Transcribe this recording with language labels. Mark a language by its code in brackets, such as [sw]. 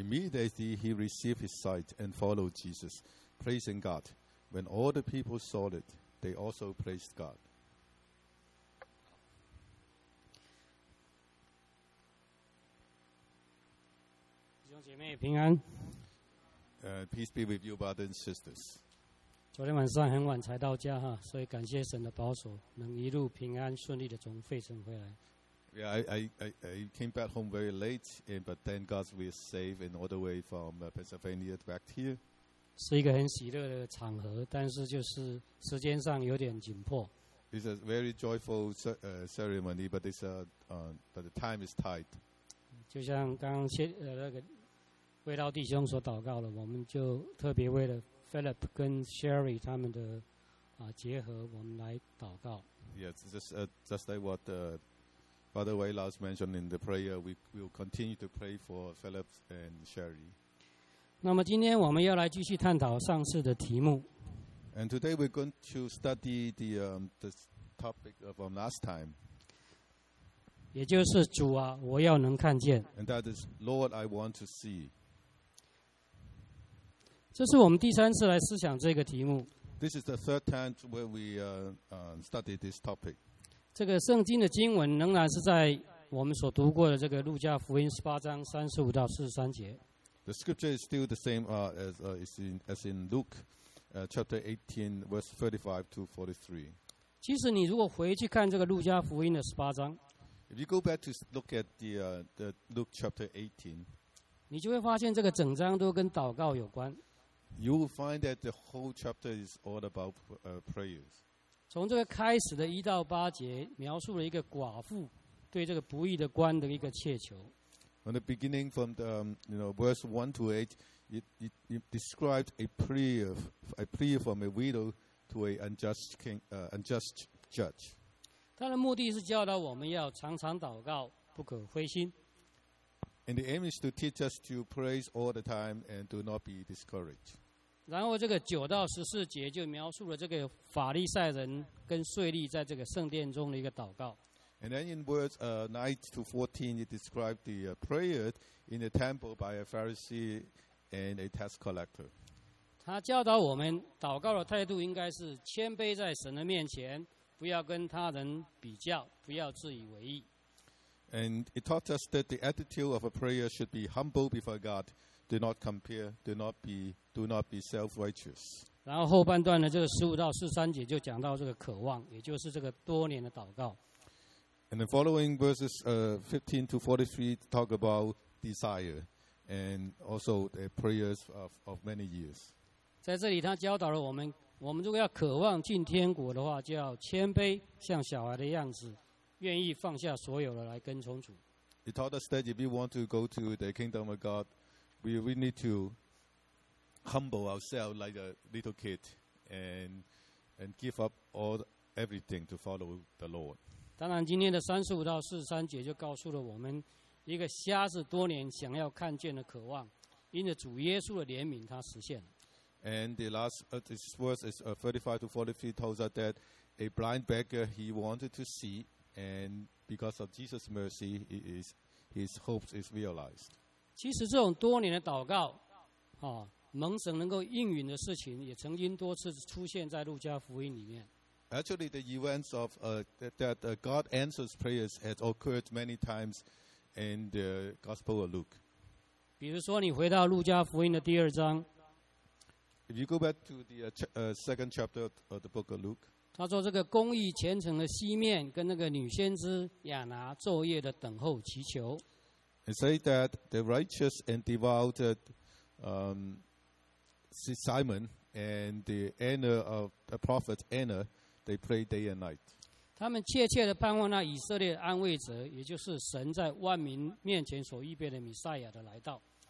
[en] Immediately he received his sight and followed Jesus, praising God. When all the people saw it, they also praised God. [zh] 弟兄姐妹平安。 [en] Peace be with you, brothers and sisters. [zh] 昨天晚上很晚才到家哈，所以感谢神的保守，能一路平安顺利的从费城回来。 [en] Yeah, I came back home very late, and, but thank God we are safe and all the way from Pennsylvania back here. [zh] 是一个很喜乐的场合，但是就是时间上有点紧迫。 [en] It's a very joyful ceremony, but it's but the time is tight. [zh] 就像刚刚那个卫道弟兄所祷告了，我们就特别为了 Philip 跟 Sherry 他们的结合，我们来祷告。 [en] Yes, just like what Father Wei last mentioned in the prayer, we will continue to pray for Philip and Sherry. [zh] 那么今天我们要来继续探讨上次的题目。 [en] And today we're going to study the topic from last time. [zh] 也就是主啊，我要能看见。 [en] And that is, Lord, I want to see. [zh] 这是我们第三次来思想这个题目。 [en] This is the third time where we study this topic. [zh] 这个圣经的经文仍然是在我们所读过的这个路加福音十八章三十五到四十三节。 [en] The scripture is still the same as in Luke, chapter 18, verse 35 to 43. [zh] 其实你如果回去看这个路加福音的十八章 [en] ，If you go back to look at the Luke chapter 18, [zh] 你就会发现这个整章都跟祷告有关。 [en] You will find that the whole chapter is all about prayers. [zh] 从这个开始的一到八节描述了一个寡妇对这个不义的官的一个切求。 [en] On the beginning from the, verse 1 to 8, it describes a prayer from a widow to an unjust king, unjust judge. [zh] 他的目的是教导我们要常常祷告，不可灰心。 [en] And the aim is to teach us to pray all the time and do not be discouraged. [zh] 然后这个九到十四节就描述了这个法利赛人跟税吏在这个圣殿中的一个祷告。 [en] And then in verse 9 to 14, it described the prayer in the temple by a Pharisee and a tax collector. [zh] 他他教导我们祷告的态度应该是谦卑在神的面前，不要跟他人比较，不要自以为意。 [en] And it taught us that the attitude of a prayer should be humble before God. Do not compare. Do not be self-righteous. [zh] 然后后半段呢，这个十五到十三节就讲到这个渴望，也就是这个多年的祷告。 [en] And the following verses, 15 to 43, talk about desire and also the prayers of many years. [zh] 在这里，他教导了我们，我们如果要渴望进天国的话，就要谦卑，像小孩的样子。愿意放下所有的来跟从主。 [en] He taught us that if we want to go to the kingdom of God, we need to humble ourselves like a little kid and give up all everything to follow the Lord. [zh] 当然，今天的三十五到四十三节就告诉了我们一个瞎子多年想要看见的渴望，因着主耶稣的怜悯，他实现了。 [en] And the last this verse is 35 to 43 tells us that a blind beggar he wanted to see. And because of Jesus' mercy, his hopes is realized. [zh] 其实这种多年的祷告，蒙神能够应允的事情，也曾经多次出现在路加福音里面。 [en] Actually, the events of that God answers prayers has occurred many times in the Gospel of Luke. [zh] 比如说，你回到路加福音的第二章。 [en] If you go back to the second chapter of the book of Luke. [zh] 他说：“这个公义虔诚的西面跟那个女先知亚拿昼夜的等候祈求。 [en] ”And say that the righteous and devout, Simon and the Anna of the prophet Anna, they pray day and night. [zh] 他们切切的盼望那以色列安慰者，也就是神在万民面前所预备的弥赛亚的来到。